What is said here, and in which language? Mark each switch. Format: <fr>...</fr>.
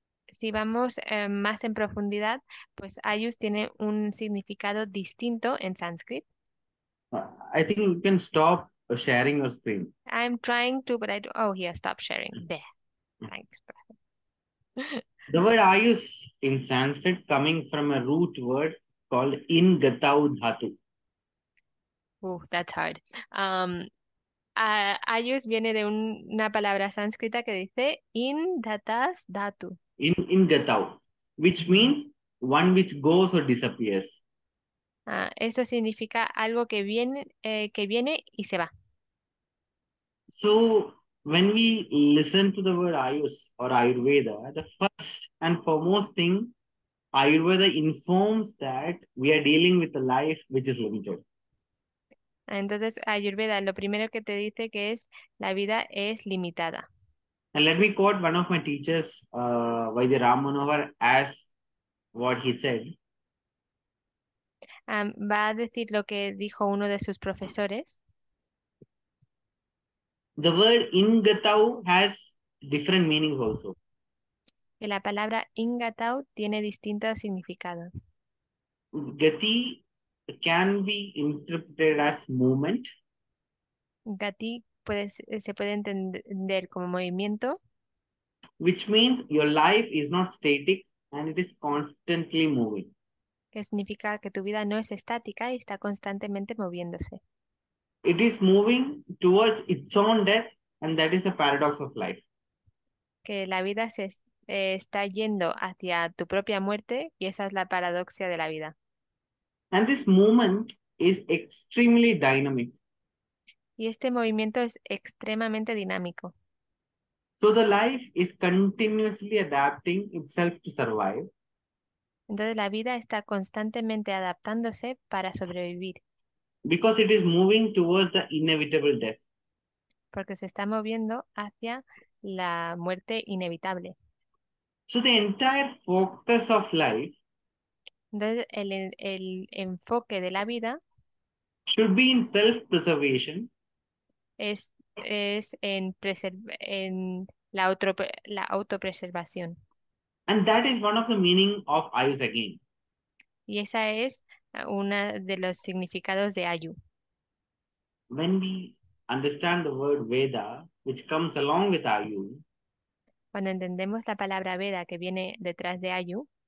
<es>Si vamos más en profundidad, pues Ayus tiene un significado distinto en sánscrit.</es> <en>I think you can stop sharing your screen. I'm trying to, but I don't. Oh, yeah, stop sharing. There. Thanks. The word Ayus in Sanskrit coming from a root word called ingatau dhatu. Oh, that's hard.</en> <es>Ayus viene de una palabra sánscrita que dice ingatas dhatu.</es> <en>In gatau, which means one which goes or disappears.</en> <es>Eso significa algo que viene y se va.</es> <en>So when we listen to the word Ayus or Ayurveda, the first and foremost thing, Ayurveda informs that we are dealing with a life which is limited.</en> <es>Entonces, Ayurveda, lo primero que te dice que es la vida es limitada.</es> <en>And let me quote one of my teachers, Vaidyaram Manohar, as what he said.</en> <es>Va a decir lo que dijo uno de sus profesores.</es> <en>The word ingatau has different meanings also.</en> <es>Que la palabra ingatau tiene distintos significados.</es> <en>Gati can be interpreted as movement.</en> <es>Gati se puede entender como movimiento.</es> <en>Which means your life is not static and it is constantly moving.</en> <es>Que significa que tu vida no es estática y está constantemente moviéndose.</es> <en>It is moving towards its own death, and that is the paradox of life.</en> <es>Que la vida se está yendo hacia tu propia muerte y esa es la paradoxia de la vida.</es> <en>And this movement is extremely dynamic.</en> <es>Y este movimiento es extremadamente dinámico.</es> <en>So the life is continuously adapting itself to survive.</en> <es>Entonces la vida está constantemente adaptándose para sobrevivir.</es> <en>Because it is moving towards the inevitable death.</en> <es>Porque se está moviendo hacia la muerte inevitable.</es> <en>So the entire focus of life,</en> <es>entonces el enfoque de la vida</es> <en>should be in self-preservation.</en> <es>Es en la autopreservación.</es> <en>And that is one of the meaning of Ayus again.</en> <es>Y esa es una de los significados de Ayu.</es> <en>When we understand the word Veda, which comes along with Ayu,</en> <es>cuando entendemos la palabra Veda que viene detrás de Ayu,</es>